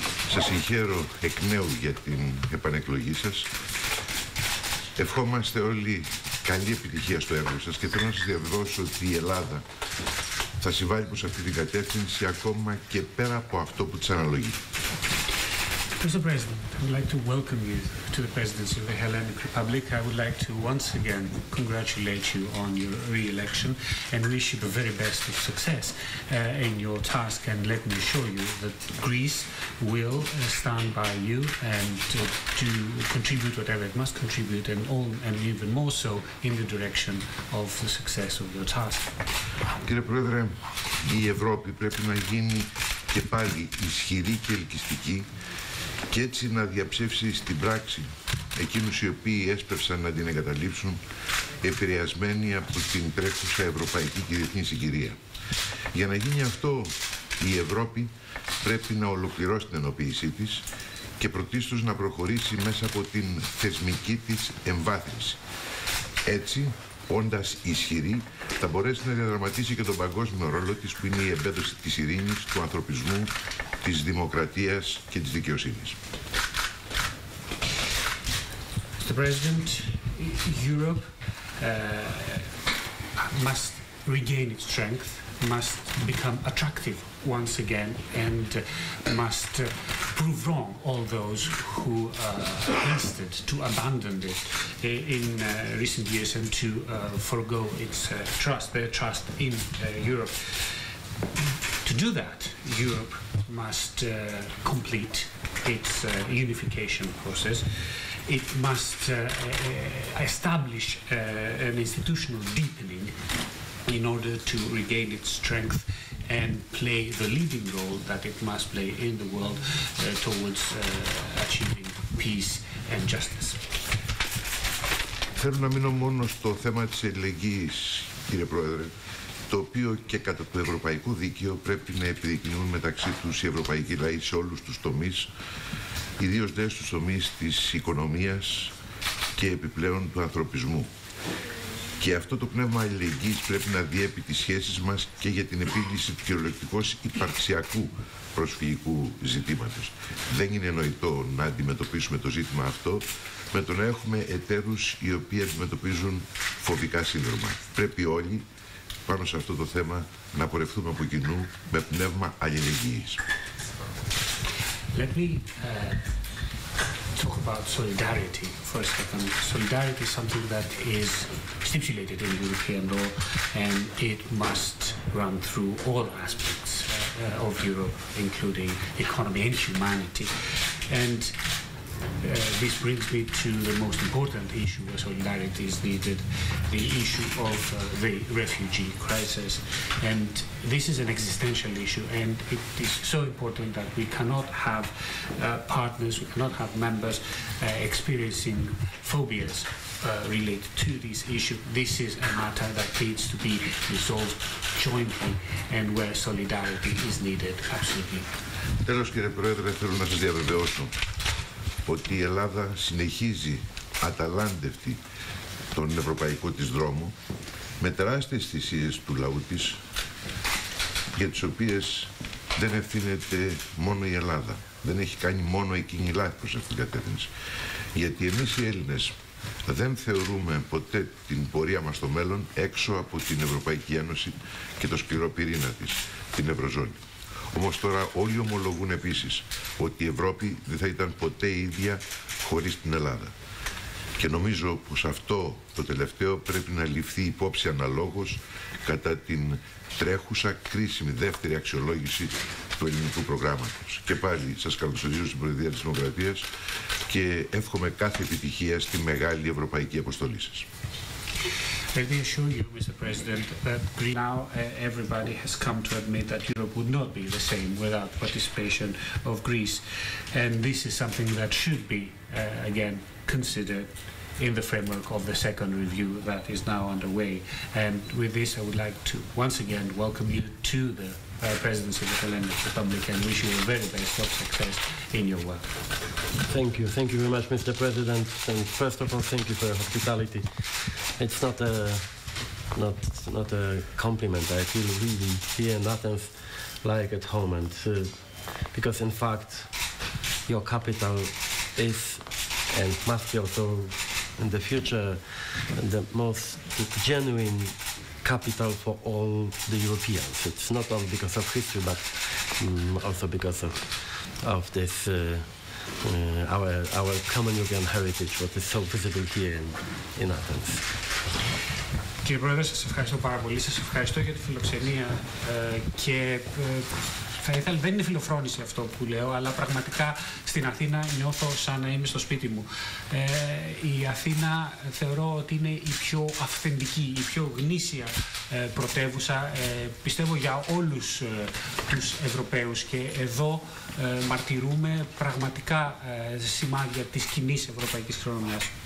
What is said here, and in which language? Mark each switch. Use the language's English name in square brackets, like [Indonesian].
[Greek] Σας συγχαίρω εκ νέου για την επανεκλογή σας. Ευχόμαστε όλοι καλή επιτυχία στο έργο σας και θέλω να σας διαβεβαιώσω ότι η Ελλάδα θα συμβάλλει προς αυτή την κατεύθυνση ακόμα και πέρα από αυτό που της αναλογεί. [English] Mr. President, I would like to welcome you to the Presidency of the Hellenic Republic. I would like to once again congratulate you on your re-election and wish you the very best of success in your task. And let me assure you that Greece will stand by you and to contribute whatever it must contribute and, all, and even more so in the direction of the success of your task. [Greek] Κύριε Πρόεδρε, η Ευρώπη πρέπει να γίνει και πάλι ισχυρή και ελκυστική και έτσι να διαψεύσει στην πράξη εκείνους οι οποίοι έσπευσαν να την εγκαταλείψουν επηρεασμένοι από την τρέχουσα ευρωπαϊκή και διεθνή συγκυρία. Για να γίνει αυτό, η Ευρώπη πρέπει να ολοκληρώσει την ενοποίησή της και πρωτίστως να προχωρήσει μέσα από την θεσμική της εμβάθυνση. Έτσι, όντας ισχυρή, θα μπορέσει να διαδραματίσει και τον παγκόσμιο ρόλο της που είναι η εμπέδωση της ειρήνης, του ανθρωπισμού, της δημοκρατίας και της δικαιοσύνης. [English] Mr. President, Europe must regain its strength, must become attractive once again and must prove wrong all those who insisted to abandon it in recent years and to forego its trust, their trust in Europe. To do that, Europe must complete its unification process. It must establish an institutional deepening in order to regain its strength and play the leading role that it must play in the world towards achieving peace and justice. [Greek] Θέλω να μείνω μόνο στο θέμα της αλληλεγγύης, κύριε Πρόεδρε, το οποίο και κατά το ευρωπαϊκό δίκαιο πρέπει να επιδεικνύουν μεταξύ τους οι ευρωπαϊκοί λαοί σε όλους τους τομείς, ιδίως δε στους τομείς της οικονομίας και επιπλέον του ανθρωπισμού. Και αυτό το πνεύμα αλληλεγγύης πρέπει να διέπει τις σχέσεις μας και για την επίλυση του κυριολεκτικώς υπαρξιακού προσφυγικού ζητήματος. Δεν είναι νοητό να αντιμετωπίσουμε το ζήτημα αυτό με το να έχουμε εταίρους οι οποίοι αντιμετωπίζουν φοβικά σύνδρομα. Πρέπει όλοι πάνω σε αυτό το θέμα να πορευτούμε από κοινού με πνεύμα αλληλεγγύης. [English] Let me talk about solidarity for a second. Solidarity is something that is stipulated in European law and it must run through all aspects of Europe, including economy and humanity. And this brings me to the most important issue where solidarity is needed, the issue of the refugee crisis. And this is an existential issue, and it is so important that we cannot have partners, we cannot have members experiencing phobias related to this issue. This is a matter that needs to be resolved jointly and where solidarity is needed, absolutely. [Greek] Τέλος, κύριε Πρόεδρε, θέλω να σας διαβεβαιώσω ότι η Ελλάδα συνεχίζει αταλάντευτη τον ευρωπαϊκό της δρόμο με τεράστιες θυσίες του λαού της για τις οποίες δεν ευθύνεται μόνο η Ελλάδα. Δεν έχει κάνει μόνο εκείνη λάθη προς αυτήν την κατεύθυνση. Γιατί εμείς οι Έλληνες δεν θεωρούμε ποτέ την πορεία μας στο μέλλον έξω από την Ευρωπαϊκή Ένωση και το σκληρό πυρήνα της, την Ευρωζώνη. Όμως τώρα όλοι ομολογούν επίσης ότι η Ευρώπη δεν θα ήταν ποτέ η ίδια χωρίς την Ελλάδα. Και νομίζω πως αυτό το τελευταίο πρέπει να ληφθεί υπόψη αναλόγως κατά την τρέχουσα κρίσιμη δεύτερη αξιολόγηση του ελληνικού προγράμματος. Και πάλι σας καλωσορίζω στην Προεδρία της Δημοκρατίας και εύχομαι κάθε επιτυχία στη μεγάλη ευρωπαϊκή αποστολή σας. [English] Let me assure you, Mr. President, that now everybody has come to admit that Europe would not be the same without participation of Greece. And this is something that should be, again, considered in the framework of the second review that is now underway. And with this, I would like to once again welcome you to the Presidency of the Hellenic Republic and wish you the very best of success in your work. Thank you. Thank you very much, Mr. President. And first of all, thank you for your hospitality. It's not a compliment. I feel really here in Athens like at home. And because, in fact, your capital is and must be also in the future the most genuine capital for all the Europeans. It's not only because of history, but also because of this our common European heritage, what is so visible here in Athens. [Greek] Κύριε Πρόεδρε, σας ευχαριστώ πάρα πολύ. Σας ευχαριστώ για τη φιλοξενία και θα ήθελα, δεν είναι φιλοφρόνηση αυτό που λέω, αλλά πραγματικά στην Αθήνα νιώθω σαν να είμαι στο σπίτι μου. Η Αθήνα θεωρώ ότι είναι η πιο αυθεντική, η πιο γνήσια πρωτεύουσα, πιστεύω για όλους τους Ευρωπαίους, και εδώ μαρτυρούμε πραγματικά σημάδια της κοινής ευρωπαϊκής χρονομιάς.